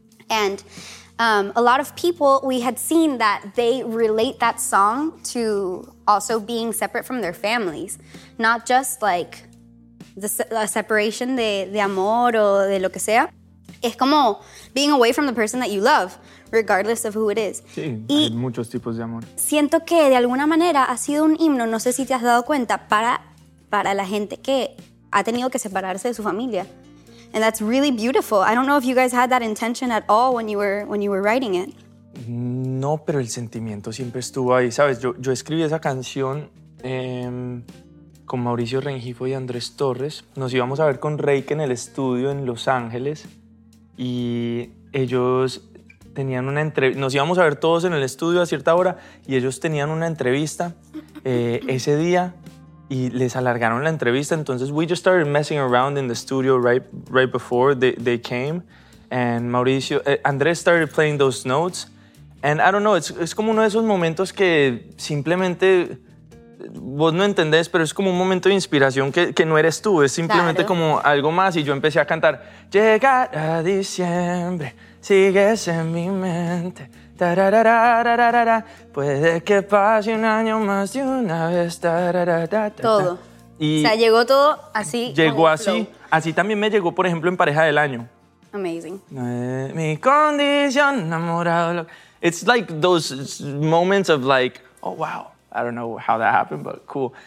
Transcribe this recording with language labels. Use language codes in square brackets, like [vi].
[en] And a lot of people, we had seen that they relate that song to also being separate from their families. Not just like the separation [es] de amor o de lo que sea. Es como [en] being away from the person that you love, regardless of who it is. [es] Sí, hay muchos tipos de amor. Siento que de alguna manera ha sido un himno, no sé si te has dado cuenta, para la gente que... ha tenido que separarse de su familia. [en] And that's really beautiful. I don't know if you guys had that intention at all when you were writing it. [es] No, pero el sentimiento siempre estuvo ahí. Sabes, yo escribí esa canción con Mauricio Rengifo y Andrés Torres. Nos íbamos a ver con Reik en el estudio en Los Ángeles y ellos tenían una entrevista. Nos íbamos a ver todos en el estudio a cierta hora y ellos tenían una entrevista ese día. Y les alargaron la entrevista, entonces [en] we just started messing around in the studio right before they came. And Mauricio, Andrés started playing those notes. And I don't know, it's [es] como uno de esos momentos que simplemente, vos no entendés, pero es como un momento de inspiración que no eres tú, es simplemente claro. Como algo más. Y yo empecé a cantar, llegará diciembre, sigues en mi mente. Tarararararara, puede que pase un año más de una vez. Todo. Y o sea, llegó todo así. Llegó así. Así también me llegó, por ejemplo, en Pareja del Año. [en] Amazing. [es] Mi condición, enamorado. [en] it's like those moments of like, oh wow, I don't know how that happened, but cool.